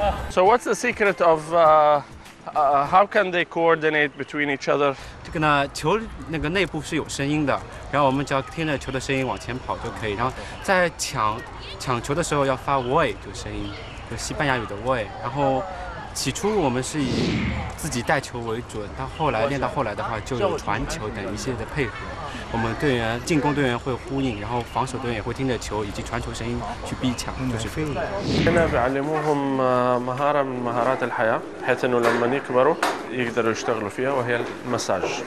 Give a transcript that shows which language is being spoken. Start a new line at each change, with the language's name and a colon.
English: So what's the secret of how can they coordinate between each other?
Chinese: 那个内部是有声音的，然后我们只要听着球的声音往前跑就可以。然后在抢球的时候要发喂，就声音，就西班牙语的喂。然后起初我们是以自己带球为准，到后来练到后来的话，就是传球等一些的配合。我们队员进攻队员会呼应，然后防守队员会听着球以及传球声音去逼抢，就是飞。
Arabic: هنا بعلموهم مهارة من مهارات الحياة حيث إنه لما يكبروا يقدروا يشتغلوا فيها، وهي المساج.